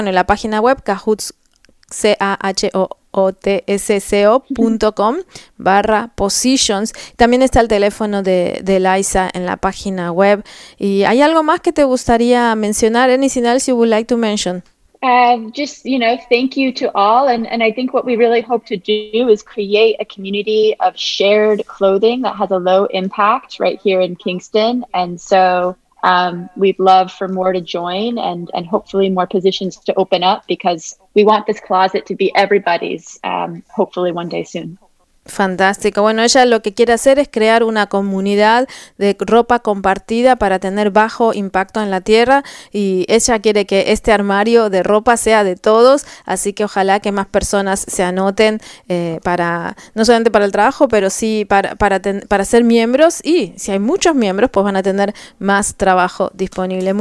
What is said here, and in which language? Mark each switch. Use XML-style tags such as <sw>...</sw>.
<es>Bueno, la página web kahootsco.com/positions. También está el teléfono de Eliza en la página web. ¿Y hay algo más que te gustaría mencionar?</es> <en>Anything else you would like to mention? Just, you know, thank you to all. And I think what we really hope to do is create a community of shared clothing that has a low impact right here in Kingston. And so we'd love for more to join and hopefully more positions to open up, because we want this closet to be everybody's, hopefully one day soon.</en> <es>Fantástico. Bueno, ella lo que quiere hacer es crear una comunidad de ropa compartida para tener bajo impacto en la tierra, y ella quiere que este armario de ropa sea de todos, así que ojalá que más personas se anoten para no solamente para el trabajo, pero sí para ser miembros, y si hay muchos miembros, pues van a tener más trabajo disponible.</es>